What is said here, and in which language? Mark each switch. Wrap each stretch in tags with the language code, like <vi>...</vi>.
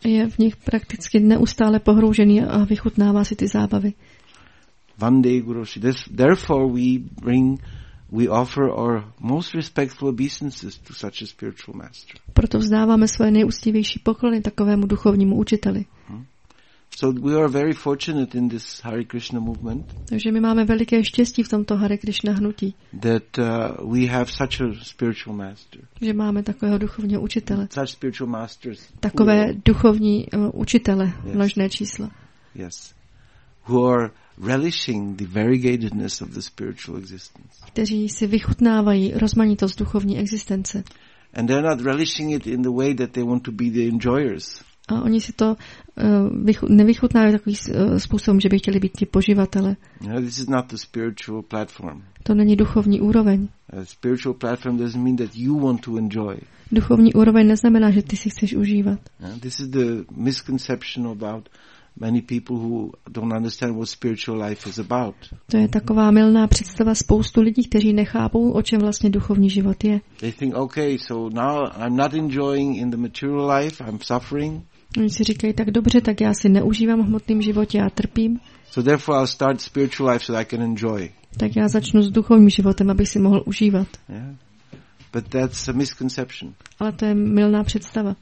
<cs>Je v nich prakticky neustále pohroužený a vychutnává si ty zábavy.</cs> <sa>Vande Guroshi.</sa> <en>Therefore we offer our most respectful obeisances to such a spiritual master.</en> <cs>Proto vzdáváme svoje nejúctivější poklony takovému duchovnímu učiteli.</cs> <en>So we are very fortunate in this Hare Krishna movement.</en> <cs>Takže my máme veliké štěstí v tomto Hare Krishna hnutí.</cs> <en>That we have such a spiritual master.</en> <cs>Že máme takového duchovního učitele.</cs> <en>Such spiritual masters.</en> <cs>Takové duchovní učitele, množné číslo.</cs> <en>Yes. Who are relishing the variegatedness of the spiritual existence.</en> <cs>Kteří si vychutnávají rozmanitost duchovní existence.</cs> <en>And they're not relishing it in the way that they want to be the enjoyers.</en> <cs>A oni si to nevychutnávají takovým způsobem, že by chtěli být ti poživatelé.</cs> <en>No, this is not the spiritual platform.</en> <cs>To není duchovní úroveň.</cs> <en>A spiritual platform doesn't mean that you want to enjoy.</en> <cs>Duchovní úroveň neznamená, že ty si chceš užívat.</cs> <en>Yeah, this is the misconception about many people who don't understand what spiritual life is about.</en> <cs>To je taková mylná představa spoustu lidí, kteří nechápou, o čem vlastně duchovní život je.</cs> <en>They think, okay, so now I'm not enjoying in the material life, I'm suffering.</en> <cs>Oni si říkají, tak dobře, tak já si neužívám hmotným životě, já trpím.</cs> <en>So therefore I'll start spiritual life so I can enjoy.</en> <cs>Tak já začnu s duchovním životem, abych si mohl užívat.</cs> <en>Yeah. But that's a misconception.</en> <cs>Ale to je mylná představa.</cs>